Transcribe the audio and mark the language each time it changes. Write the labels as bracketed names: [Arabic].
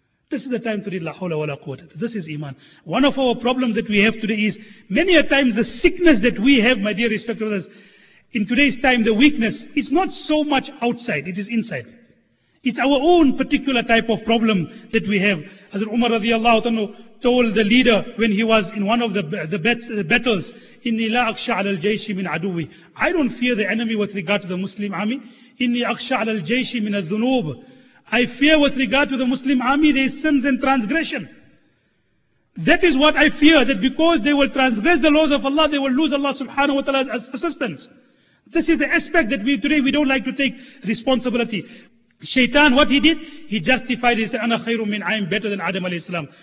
[English] This is the time to read [Arabic] la hawla wa la quwwata. [English] This is iman. One of our problems that we have today is, many a times the sickness that we have, my dear respected brothers, in today's time, the weakness, it's not so much outside, it is inside. It's our own particular type of problem that we have. Hazrat Umar radiallahu anhu told the leader when he was in one of the battles, [Arabic] إِنِّي لَا أَخْشَ عَلَى الْجَيْشِ مِنْ عَدُوِّي. [English] I don't fear the enemy with regard to the Muslim army. [Arabic] إِنِّي أَخْشَ عَلَى الْجَيْشِ مِنَ الذُّنُوبِ. [English] I fear with regard to the Muslim army their sins and transgression. That is what I fear, that because they will transgress the laws of Allah, they will lose Allah subhanahu wa ta'ala's assistance. This is the aspect that today we don't like to take responsibility. Shaitan, what he did, he justified, he said, [Arabic] Ana khairun min, [English] I am better than Adam alayhi salam.